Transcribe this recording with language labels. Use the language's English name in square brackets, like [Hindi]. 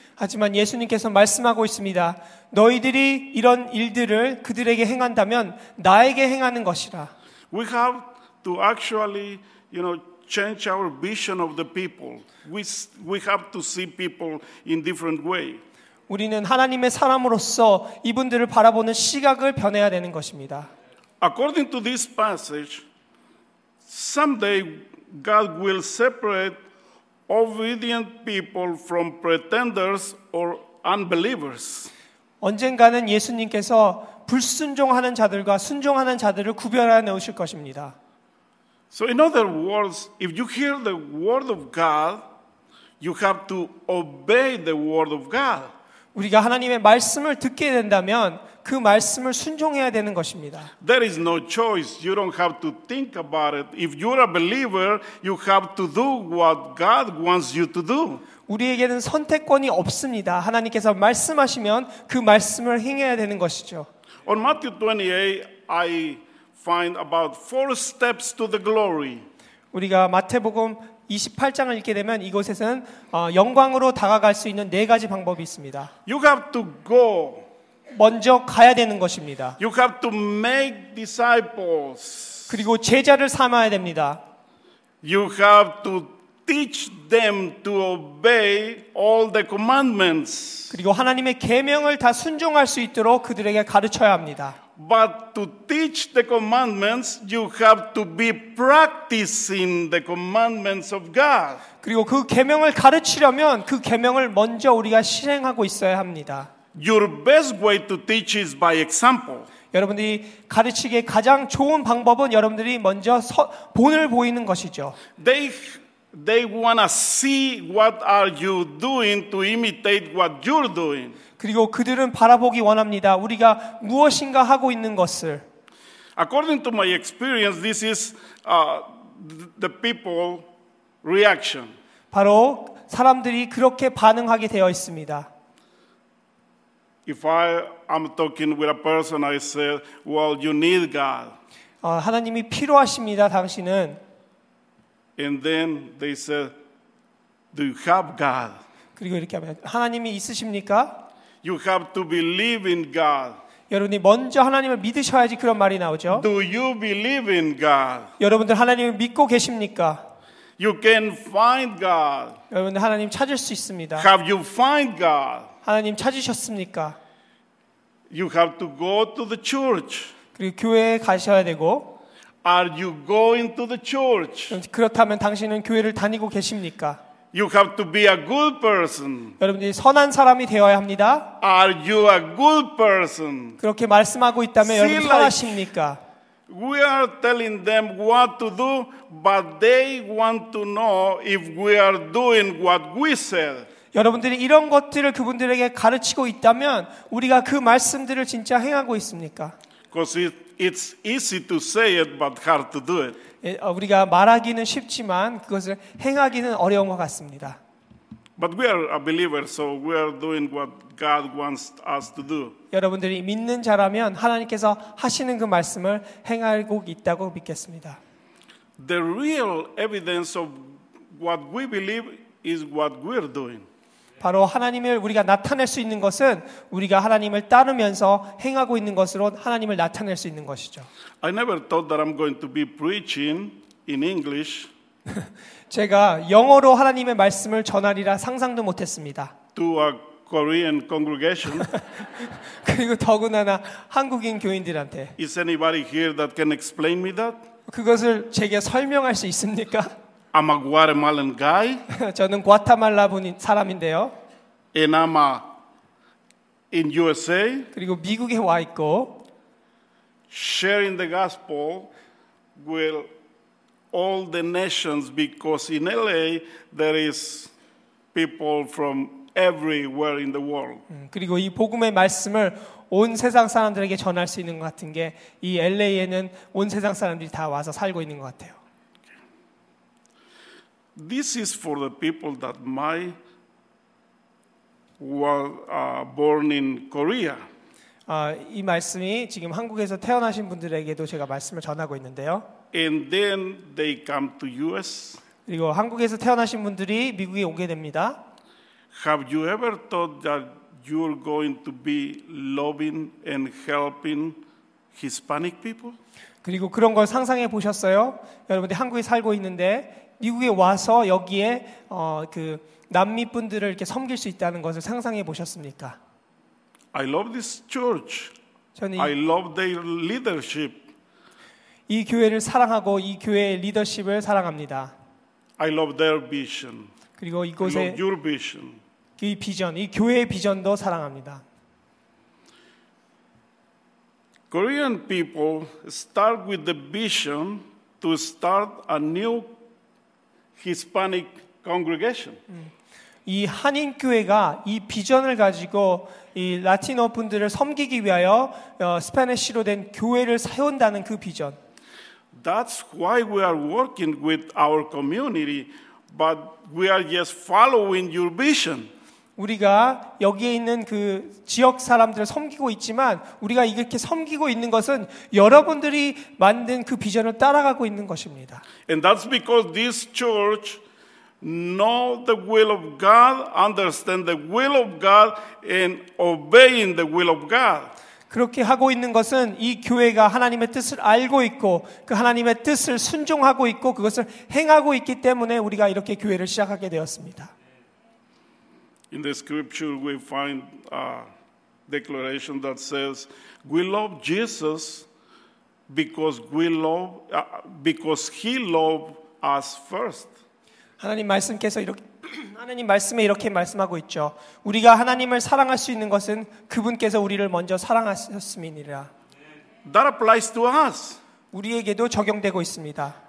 [Korean] 하지만 예수님께서 말씀하고 있습니다. 너희들이 이런 일들을 그들에게 행한다면 나에게 행하는 것이라. [English] We have to actually, you know, change our vision of the people. We have to see people in different way. [Korean] 우리는 하나님의 사람으로서 이분들을 바라보는 시각을 변해야 되는 것입니다. [English] According to this passage, someday God will separate obedient people from pretenders or unbelievers. [Korean] 언젠가는 예수님께서 불순종하는 자들과 순종하는 자들을 구별해 내실 것입니다. [English] So in other words, if you hear the word of God, you have to obey the word of God. [Korean] 우리가 하나님의 말씀을 듣게 된다면 그 말씀을 순종해야 되는 것입니다. [English] There is no choice. You don't have to think about it. If you're a believer, you have to do what God wants you to do. [Korean] 우리에게는 선택권이 없습니다. 하나님께서 말씀하시면 그 말씀을 행해야 되는 것이죠. [English] On Matthew 28, I find about four steps to the glory. [Korean] 우리가 마태복음 28장을 읽게 되면 이곳에서는 영광으로 다가갈 수 있는 네 가지 방법이 있습니다. [English] You have to go. [Korean] 먼저 가야 되는 것입니다. [English] You have to make disciples. [Korean] 그리고 제자를 삼아야 됩니다. [English] You have to teach them to obey all the commandments. [Korean] 그리고 하나님의 계명을 다 순종할 수 있도록 그들에게 가르쳐야 합니다. [English] But to teach the commandments, you have to be practicing the commandments of God. [Korean] 그리고 그 계명을 가르치려면 그 계명을 먼저 우리가 실행하고 있어야 합니다. [English] Your best way to teach is by example. [Korean] 여러분들이 가르치기에 가장 좋은 방법은 여러분들이 먼저 본을 보이는 것이죠. [English] They want to see what are you doing to imitate what you're doing. [Korean] 그리고 그들은 바라보기 원합니다. 우리가 무엇인가 하고 있는 것을. [English] According to my experience, this is the people reaction. [Korean] 바로 사람들이 그렇게 반응하게 되어 있습니다. [English] If I am talking with a person, I say, "Well, you need God." [Korean] 하나님이 필요하십니다. 당신은. [English] And then they said, "Do you have God?" [Korean] 그리고 이렇게 하면 하나님이 있으십니까? [English] You have to believe in God. [Korean] 여러분이 먼저 하나님을 믿으셔야지 그런 말이 나오죠. [English] Do you believe in God? [Korean] 여러분들 하나님을 믿고 계십니까? [English] You can find God. [Korean] 여러분들 하나님 찾을 수 있습니다. [English] Have you found God? [Korean] 하나님 찾으셨습니까? [English] You have to go to the church. [Korean] 그리고 교회에 가셔야 되고. [English] Are you going to the church? [Korean] 그렇다면 당신은 교회를 다니고 계십니까? [English] You have to be a good person. [Korean] 여러분들이 선한 사람이 되어야 합니다. [English] Are you a good person? [Korean] 그렇게 말씀하고 있다면 여러분 선하십니까? [English] We are telling them what to do, but they want to know if we are doing what we said. [Korean] 여러분들이 이런 것들을 그분들에게 가르치고 있다면 우리가 그 말씀들을 진짜 행하고 있습니까? [English] Because it's easy to say it, but hard to do it. [Korean] 우리가 말하기는 쉽지만 그것을 행하기는 어려운 것 같습니다. [English] But we are a believer, so we are doing what God wants us to do. [Korean] 여러분들이 믿는 자라면 하나님께서 하시는 그 말씀을 행하고 있다고 믿겠습니다. [English] The real evidence of what we believe is what we are doing. [Korean] 바로 하나님을 우리가 나타낼 수 있는 것은 우리가 하나님을 따르면서 행하고 있는 것으로 하나님을 나타낼 수 있는 것이죠. [English] I never thought that I'm going to be preaching in English. [Korean] 제가 영어로 하나님의 말씀을 전하리라 상상도 못했습니다. [English] To a Korean congregation. [Korean] 그리고 더군다나 한국인 교인들한테. [English] Is anybody here that can explain me that? [Korean] 그것을 제게 설명할 수 있습니까? [English] I'm a Guatemalan guy. [Korean] 저는 과타말라 분인 사람인데요. [English] And I'm in USA. [Korean] 그리고 미국에 와 있고. [English] Sharing the gospel will all the nations because in LA there is people from everywhere in the world. [Korean] 그리고 이 복음의 말씀을 온 세상 사람들에게 전할 수 있는 것 같은 게 이 LA에는 온 세상 사람들이 다 와서 살고 있는 것 같아요. [English] This is for the people that were born in Korea. [Korean] 이 말씀이 지금 한국에서 태어나신 분들에게도 제가 말씀을 전하고 있는데요. [English] And then they come to US. [Korean] 그리고 한국에서 태어나신 분들이 미국에 오게 됩니다. [English] Have you ever thought that you're going to be loving and helping Hispanic people? [Korean] 그리고 그런 걸 상상해 보셨어요? 여러분들 한국에 살고 있는데 미국에 와서 여기에 그 남미 분들을 이렇게 섬길 수 있다는 것을 상상해 보셨습니까? [English] I love this church. [Korean] 저는 [English] I love their leadership. [Korean] 이 교회를 사랑하고 이 교회의 리더십을 사랑합니다. [English] I love their vision. [Korean] 그리고 이곳의 [English] I love your vision. [Korean] 이 비전, 이 교회의 비전도 사랑합니다. [English] Korean people start with the vision to start a new Hispanic congregation. [Korean] 이 한인 교회가 이 비전을 가지고 이 라틴어 분들을 섬기기 위하여 스페니쉬로 된 교회를 세운다는 그 비전. [English] That's why we are working with our community, but we are just following your vision. [Korean] 우리가 여기에 있는 그 지역 사람들을 섬기고 있지만 우리가 이렇게 섬기고 있는 것은 여러분들이 만든 그 비전을 따라가고 있는 것입니다. [English] And that's because this church know the will of God, understand the will of God, and obeying the will of God. [Korean] 그렇게 하고 있는 것은 이 교회가 하나님의 뜻을 알고 있고 그 하나님의 뜻을 순종하고 있고 그것을 행하고 있기 때문에 우리가 이렇게 교회를 시작하게 되었습니다. [English] In the scripture, we find a declaration that says, "We love Jesus because we love because He loved us first." [Korean] 하나님 말씀께서 이렇게 하나님 말씀에 이렇게 말씀하고 있죠. 우리가 하나님을 사랑할 수 있는 것은 그분께서 우리를 먼저 사랑하셨음이니라. [English] That applies to us. [Korean] 우리에게도 적용되고 있습니다.